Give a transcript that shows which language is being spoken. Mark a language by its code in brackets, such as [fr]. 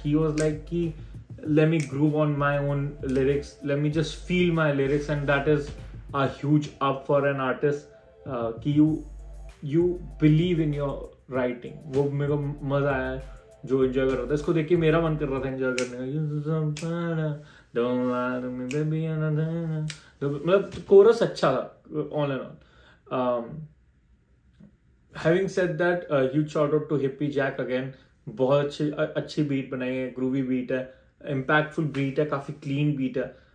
[en] ही was like कि let me groove on my own lyrics, let me just feel my lyrics. And that is a huge up for an artist कि You believe in your writing. [hi] वो मेरे को मजा आया जो enjoy कर रहा था. इसको देख के मेरा मन कर रहा था enjoy करने का. मतलब chorus अच्छा था [en] all in all. Having said that, huge shout out to Hippie Jack again. [hi] बहुत अच्छी beat बनाई है, groovy beat है, impactful beat है, काफी clean beat है.